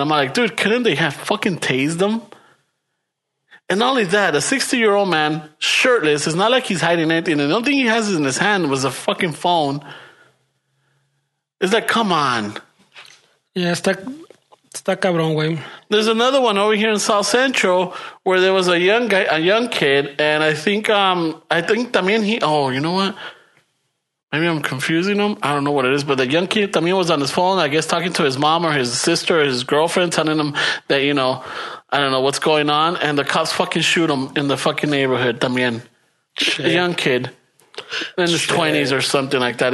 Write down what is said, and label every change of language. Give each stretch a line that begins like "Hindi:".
English: I'm like, dude, couldn't they have fucking tased them? And not only that, a 60-year-old man, shirtless, it's not like he's hiding anything. And the only thing he has in his hand was a fucking phone. It's like, come on.
Spanish: Yeah, está cabrón, güey.
English: There's another one over here in South Central where there was a young guy, a young kid. And I think también he, oh, you know what? Maybe I'm confusing him. I don't know what it is, but the young kid también was on his phone, I guess, talking to his mom or his sister or his girlfriend, telling him that, you know, I don't know what's going on. And the cops fucking shoot him in the fucking neighborhood también. Shit. A young kid in his 20s or something like that.